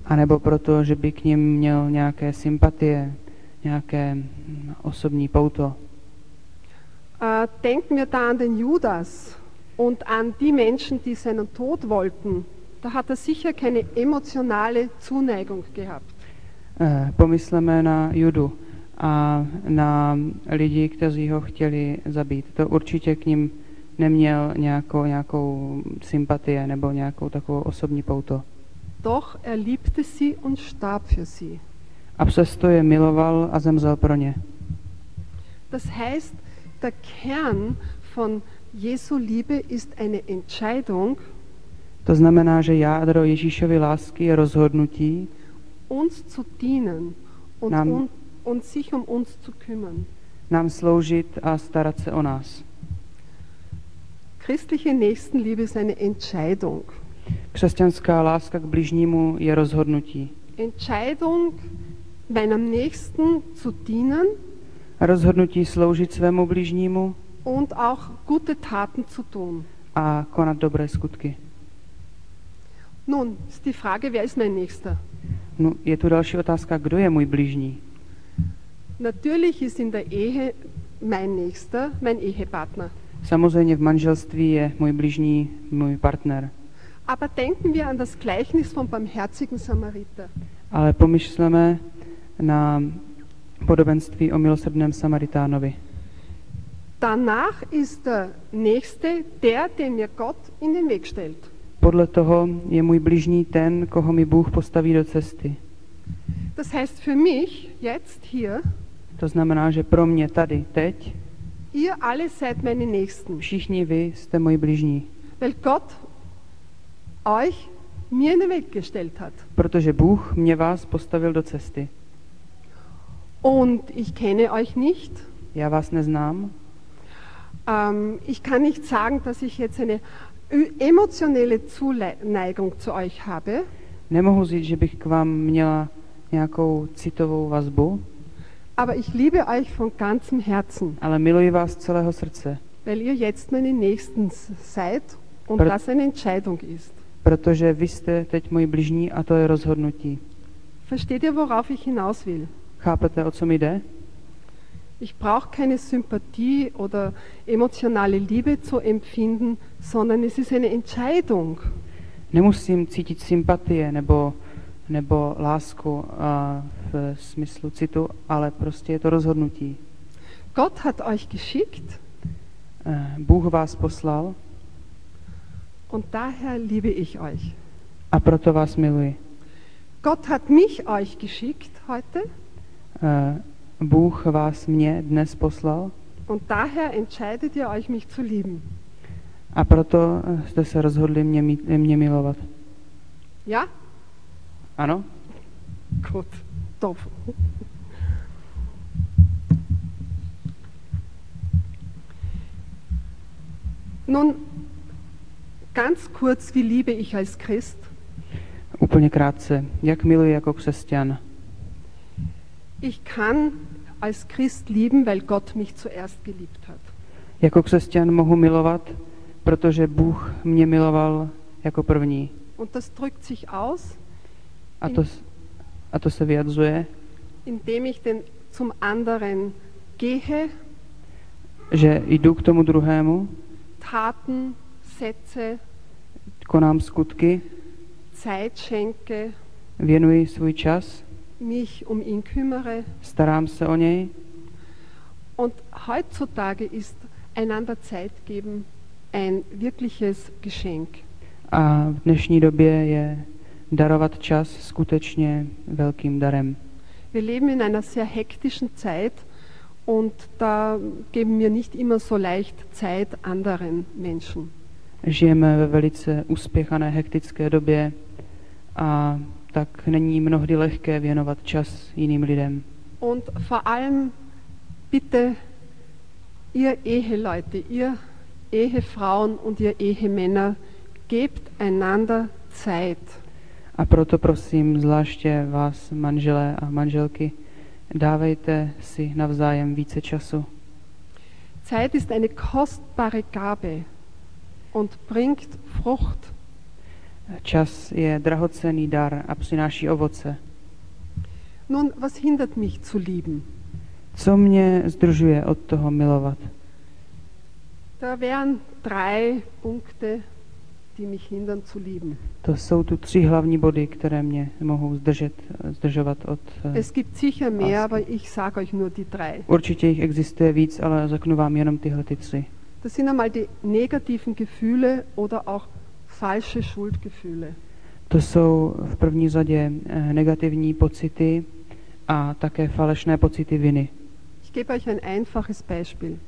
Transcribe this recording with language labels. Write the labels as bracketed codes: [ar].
[cs] A nebo proto, že by k ním měl nějaké sympatie, nějaké osobní pouto. [de] Denken wir da an den Judas und an die Menschen, die seinen Tod wollten. Da hat er sicher keine emotionale Zuneigung gehabt. [cs] Pomysleme na Judu a na lidi, kteří ho chtěli zabít. To určitě k ním neměl nějakou sympatie nebo nějakou takovou osobní pouto. [de] Doch er liebte sie und starb für sie. [cs] A přesto je miloval a zemřel pro ně. [de] Das heißt, der Kern von Jesu Liebe ist eine Entscheidung. [cs] To znamená, že jádro Ježíšovy lásky je rozhodnutí [de] uns zu dienen und [cs] nám, [de] und sich um uns zu kümmern. [cs] Nám sloužit a starat se o nás. [de] Christliche Nächstenliebe ist eine Entscheidung. [cs] Křesťanská láska k bližnímu je rozhodnutí. [de] Entscheidung meinem Nächsten zu dienen. [cs] Rozhodnutí sloužit svému bližnímu [de] und auch gute Taten zu tun. [cs] A konat dobré skutky. [de] Nun, ist die Frage, wer ist mein Nächster? [cs] No, je tu další otázka, kdo je můj bližní? [de] Natürlich ist in der Ehe mein Nächster, mein Ehepartner. [cs] Samozřejmě v manželství je můj bližní, můj partner. [de] Aber denken wir an das Gleichnis vom barmherzigen Samariter. [cs] Ale pomyslíme na podobenství o milosrdném Samaritánovi. [de] Danach ist der Nächste der, den mir Gott in den Weg stellt. [cs] Podle toho je můj bližní ten, koho mi Bůh postaví do cesty. [de] Das heißt für mich jetzt hier. [cs] To znamená, že pro mě tady teď. [de] Ihr alle seid meine Nächsten. [cs] Všichni vy jste moji bližní. [de] Weil Gott euch mir in den Weg gestellt hat. [cs] Protože Bůh mě vás postavil do cesty. [de] Und ich kenne euch nicht. [cs] Já vás neznám. [de] Ich kann nicht sagen, dass ich jetzt eine emotionale Zuneigung zu euch habe. [cs] Nemohu říct, že bych k vám měla nějakou citovou vazbu. [de] Aber ich liebe euch von ganzem Herzen. [cs] Ale miluji vás celého srdce. [de] Weil ihr jetzt meine Nächsten seid und das eine Entscheidung ist. [cs] Protože vy jste teď moji bližní a to je rozhodnutí. [de] Versteht ihr, worauf ich hinaus will? [cs] Chápete, o co mi jde? [de] Ich brauche keine Sympathie oder emotionale Liebe zu empfinden, sondern es ist eine Entscheidung. [cs] Nemusím cítit sympatie nebo lásku v smyslu citu, ale prostě je to rozhodnutí. [de] Gott hat euch geschickt. [cs] Bůh vás poslal. [de] Und daher liebe ich euch. [cs] A proto vás miluji. [de] Gott hat mich euch geschickt heute. [cs] Bůh vás mě dnes poslal. [de] Und daher entscheidet ihr euch mich zu lieben. [cs] A proto jste se rozhodli mě milovat. [de] Ja? [cs] Ano? [de] Gut. Top. Nun ganz kurz, wie liebe ich als Christ? [cs] Úplně krátce, jak miluji jako křesťan? [de] Ich kann als Christ lieben, weil Gott mich zuerst geliebt hat. [cs] Jako křesťan mohu milovat, protože Bůh mě miloval jako první. [de] Und das drückt sich aus. [cs] A to se vyjadřuje. [de] Indem ich den zum anderen gehe. [cs] Že jdu k tomu druhému. [de] Taten, Sätze. [cs] Konám skutky. [de] Zeit schenke. [cs] Věnuji svůj čas. [de] Mich um ihn kümmere. [cs] Starám se o něj. [de] Und heutzutage ist einander Zeit geben ein wirkliches Geschenk. [cs] A v dnešní době je darovat čas skutečně velkým darem. [de] Wir leben in einer sehr hektischen Zeit und da geben wir nicht immer so leicht Zeit anderen Menschen. [cs] Žijeme ve velice uspěchané hektické době a tak není mnohdy lehké věnovat čas jiným lidem. [de] Und vor allem bitte ihr Eheleute, ihr Ehefrauen und ihr Ehemänner, gebt einander Zeit. [cs] A proto prosím zvláště vás, manželé a manželky, dávejte si navzájem více času. [de] Zeit ist eine kostbare Gabe und bringt Frucht. [cs] Čas je drahocenný dar a přináší ovoce. [de] Nun, was hindert mich zu lieben? [cs] Co mě zdržuje od toho milovat? [de] Da wären drei Punkte, die mich hindern zu lieben. [cs] To jsou tu tři hlavní body, které mě mohou zdržovat od lásky. [de] Es gibt sicher mehr, aber ich sage euch nur die drei. [cs] Určitě jich existuje víc, ale řeknu vám jenom tyhle ty tři. [de] Das sind einmal die negativen Gefühle oder auch falsche Schuldgefühle. [cs] To jsou v první řadě negativní pocity a také falešné pocity viny. [de] Ich gebe euch ein einfaches Beispiel.